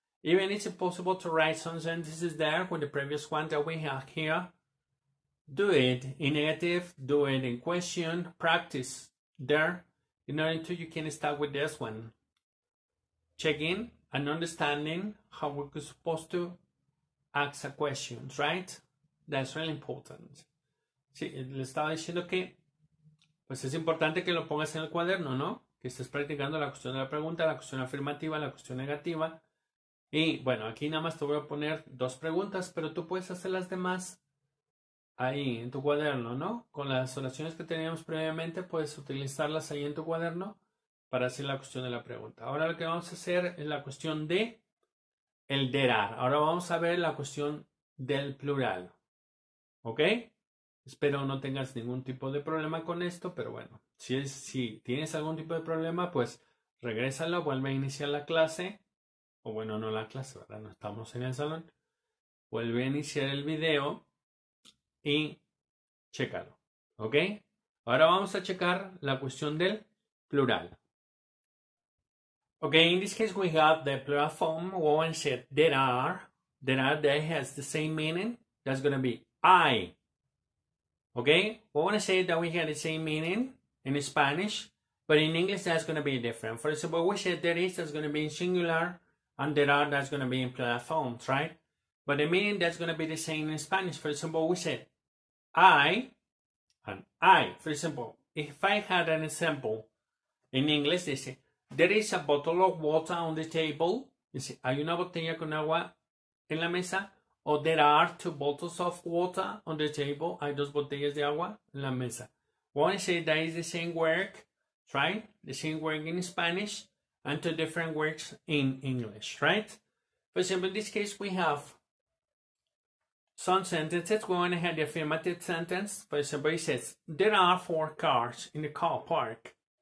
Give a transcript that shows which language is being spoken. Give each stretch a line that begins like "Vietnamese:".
English: Even if it's possible to write some sentences there with the previous one that we have here, do it in negative, do it in question, practice there, in order to you can start with this one. Check in and understanding how we're supposed to ask a question, right? That's really important.
Spanish: Sí, le estaba diciendo que pues es importante que lo pongas en el cuaderno, ¿no? Que estés practicando la cuestión de la pregunta, la cuestión afirmativa, la cuestión negativa. Y bueno, aquí nada más te voy a poner dos preguntas, pero tú puedes hacer las demás ahí en tu cuaderno, ¿no? Con las oraciones que teníamos previamente, puedes utilizarlas ahí en tu cuaderno para hacer la cuestión de la pregunta. Ahora lo que vamos a hacer es la cuestión de el there are. Ahora vamos a ver la cuestión del plural. ¿Ok? Espero no tengas ningún tipo de problema con esto, pero bueno, si tienes algún tipo de problema, pues regrésalo, vuelve a iniciar la clase, o bueno, no la clase, ¿verdad? No estamos en el salón. Vuelve a iniciar el video y chécalo, ¿ok? Ahora vamos a checar la cuestión del plural.
English: Ok, in this case we have the plural form, woman said, there has the same meaning, that's going to be I. Okay, we want to say that we have the same meaning in Spanish, but in English that's going to be different. For example, we said there is, that's going to be in singular, and there are, that's going to be in plural forms, right? But the meaning that's going to be the same in Spanish. For example, we said I and I. For example, if I had an example in English, they say, there is a bottle of water on the table. You say,
Spanish: hay una botella con agua en la mesa.
English: O there are two bottles of water on the table.
Spanish: Hay dos botellas de agua en la mesa.
English: One is that is the same word, right? The same word in Spanish and two different words in English, right? For example, in this case, we have some sentences. We want to have the affirmative sentence. For example, it says, there are four cars in the car park.